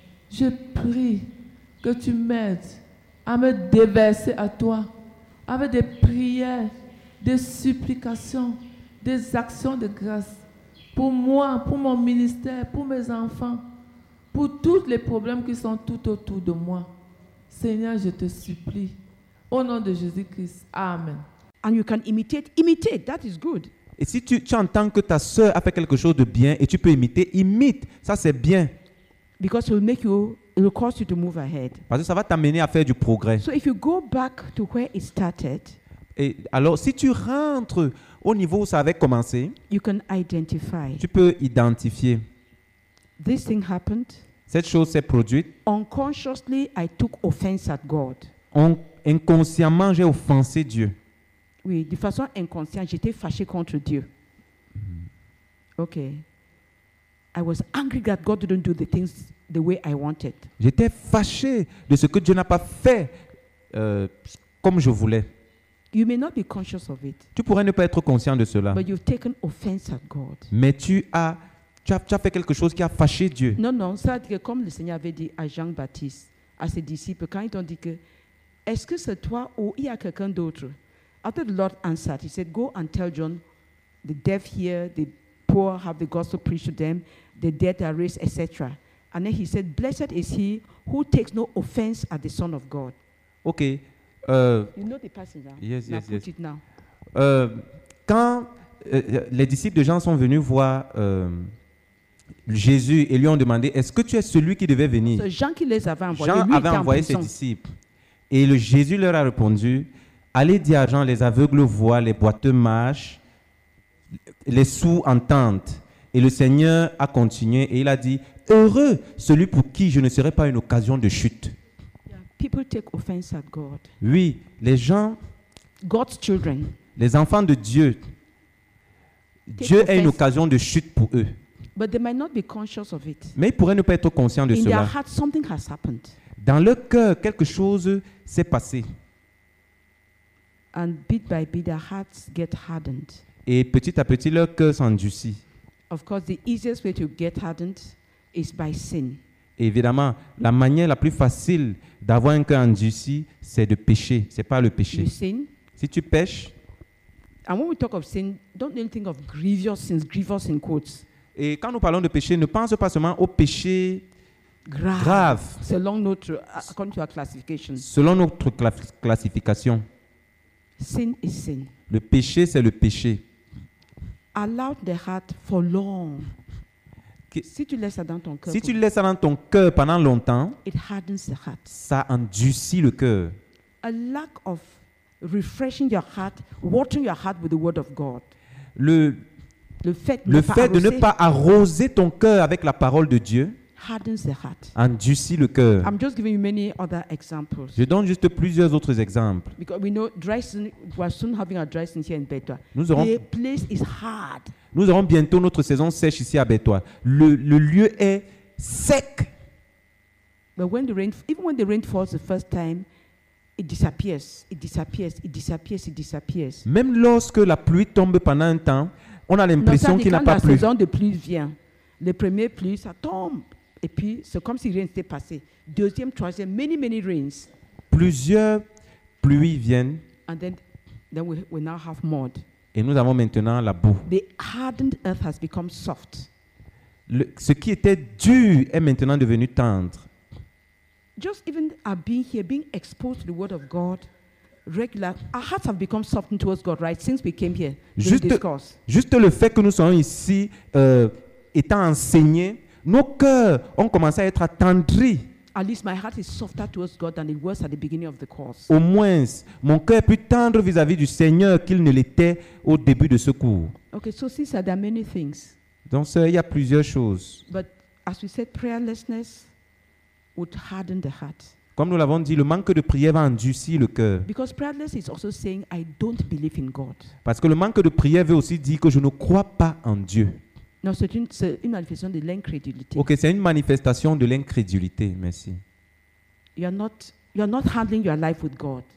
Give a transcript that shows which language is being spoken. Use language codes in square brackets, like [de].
[fr] Je prie que tu m'aides à me déverser à toi avec des prières, des supplications, des actions de grâce pour moi, pour mon ministère, pour mes enfants, pour tous les problèmes qui sont tout autour de moi. Seigneur, je te supplie. Au nom de Jésus-Christ. Amen. [en] And you can imitate, that is good. [fr] Et si tu entends que ta sœur a fait quelque chose de bien et tu peux imiter, imite, ça c'est bien. [en] Because it will make you, it will cause you to move ahead. [fr] Parce que ça va t'amener à faire du progrès. [en] So if you go back to where it started. [fr] Et alors si tu rentres au niveau où ça avait commencé, [en] you can identify. [fr] Tu peux identifier. [en] This thing happened. [fr] Cette chose s'est produite. [en] Unconsciously, I took offense at God. [fr] Inconsciemment, j'ai offensé Dieu. Oui, de façon inconsciente, j'étais fâché contre Dieu. Ok. [en] I was angry that God didn't do the things the way I wanted. [fr] J'étais fâché de ce que Dieu n'a pas fait comme je voulais. [en] You may not be conscious of it. [fr] Tu pourrais ne pas être conscient de cela. [en] But you've taken offense at God. [fr] Mais tu as fait quelque chose qui a fâché Dieu. Non, ça dit que comme le Seigneur avait dit à Jean-Baptiste, à ses disciples, quand ils t'ont dit que est-ce que c'est toi ou il y a quelqu'un d'autre? [en] After the Lord answered, he said, go and tell John, the deaf hear, the poor have the gospel preached to them, the dead are raised, etc. And then he said, blessed is he who takes no offense at the Son of God. Okay. You know the passage, huh? Yes, now yes, put yes. It now. [fr] Quand les disciples de Jean sont venus voir Jésus et lui ont demandé, est-ce que tu es celui qui devait venir? So Jean qui les avait envoyés. Jean avait envoyé ses disciples. Et Jésus leur a répondu, allez dire à Jean, les aveugles voient, les boiteux marchent, les sourds entendent. Et le Seigneur a continué et il a dit, heureux celui pour qui je ne serai pas une occasion de chute. [en] Yeah, people take offense at God. [fr] Oui, les gens, [en] God's children, [fr] les enfants de Dieu, Dieu est une occasion de chute pour eux. [en] But they might not be conscious of it. [fr] Mais ils pourraient ne pas être conscients de [en] in [fr] cela. [en] Their heart, something has happened. [fr] Dans leur cœur, quelque chose s'est passé. [en] And bit by bit, their hearts get hardened. [fr] Et petit à petit, leur cœur s'endurcit. [en] Of course, the easiest way to get hardened is by sin. [fr] Évidemment, la manière la plus facile d'avoir un cœur endurci, c'est de pécher. C'est pas le péché. [en] You sin. [fr] Si tu pèches. [en] And when we talk of sin, don't only think of grievous sins. Grievous in quotes. [fr] Et quand nous parlons de péché, ne pense pas seulement au péché grave. Selon notre, [en] according to our classification. [fr] Selon notre classification. [en] Sin is sin. [fr] Le péché, c'est le péché. [en] Allow the heart for long. [fr] Si tu laisses ça dans ton cœur. Si tu laisses ça dans ton cœur pendant longtemps. [en] It hardens the heart. [fr] Ça endurcit le cœur. [en] A lack of refreshing your heart, watering your heart with the word of God. [fr] Le fait de ne pas arroser ton cœur avec la parole de Dieu. [en] Hardens the heart. [fr] Endurcit le cœur. [en] I'm just giving you many other examples. [fr] Je donne juste plusieurs autres exemples. [en] Because we know dry season, we are soon having a dry season here in Betwa. The place is hard. [fr] Nous aurons bientôt notre saison sèche ici à Betwa. Le lieu est sec. [en] But when the rain, even when the rain falls the first time, it disappears. It disappears. It disappears. It disappears. [fr] Même lorsque la pluie tombe pendant un temps, on a l'impression qu'il n'a pas plu. Quand la saison de pluie vient, les premières pluies, ça tombe. Et puis, c'est comme si rien s'était passé. Deuxième, troisième, [en] many, many rains. [fr] Plusieurs pluies viennent. [en] And then we now have mud. [fr] Et nous avons maintenant la boue. [en] The hardened earth has become soft. [fr] Ce qui était dur est maintenant devenu tendre. [en] Just even our being here, being exposed to the word of God, regular, our hearts have become softened towards God, right? Since we came here to discuss. [fr] Juste le fait que nous soyons ici, étant enseignés, nos cœurs ont commencé à être attendris. [en] At least my heart is softer towards God than it was at the beginning of the course. [fr] Au moins, mon cœur est plus tendre vis-à-vis du Seigneur qu'il ne l'était au début de ce cours. [en] Okay, so since there are many things. [fr] Donc, il y a plusieurs choses. [en] But as we said, prayerlessness would harden the heart. [fr] Comme nous l'avons dit, le manque de prière va endurcir le cœur. [en] Because prayerless is also saying I don't believe in God. [fr] Parce que le manque de prière veut aussi dire que je ne crois pas en Dieu. Non, c'est une manifestation de l'incrédulité. Ok, c'est une manifestation de l'incrédulité. Merci. [en] You're not handling your life with God.